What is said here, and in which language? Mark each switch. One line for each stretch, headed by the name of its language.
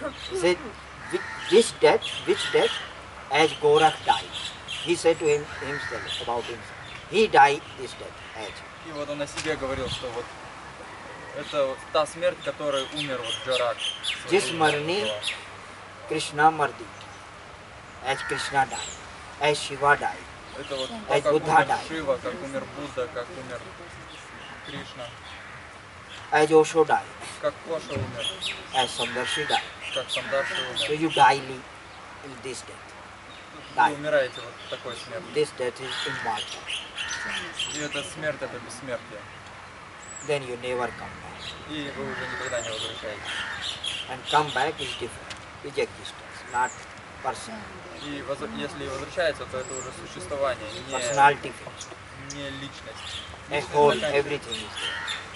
English: He said, which death, as Gorakh died. He said to himself, about himself. He died this death, as.
Russian: И вот он о себе говорил, что вот Это та смерть, которой умер вот Джарак. Здесь Марни, Кришна Марди.
English: As Krishna died, as Shiva died, as Buddha died.
Russian: Шива, как умер Будда, как умер Кришна.
English: As Osho died.
Russian: Как Оша умер.
English: As Самдарши died.
Russian: Как Самдарши умер.
English: So you die in this death.
Russian: Вы умираете вот такой смертью.
English: This death is immortal.
Russian: И эта смерть — это бессмертие.
English: Then you never come back.
Russian: И вы уже никогда не возвращаетесь.
English: And come back is different. It's existence, not person.
Russian: И если возвращается, то это уже существование, не, не личность.
English: As whole, everything is there.